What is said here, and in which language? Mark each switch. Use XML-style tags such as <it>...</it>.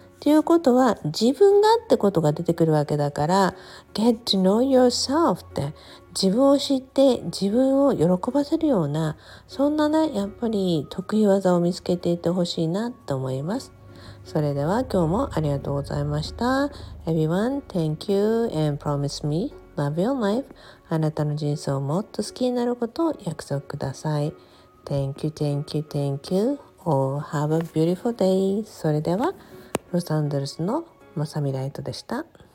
<ja>っていうことは自分がってことが出てくるわけだから、</ja> <en>Get to know yourself</en> <ja>って自分を知って自分を喜ばせるような、そんなね、やっぱり得意技を見つけていてほしいなと思います。それでは今日もありがとうございました。</ja> <en>Everyone, thank you and promise me love your life.</en> <ja>あなたの人生をもっと好きになることを約束ください。</ja> <en>Thank you, thank you, thank you. Oh, have a beautiful day.</en> <ja>それではロサンゼルスのマサミライトでした。</ja>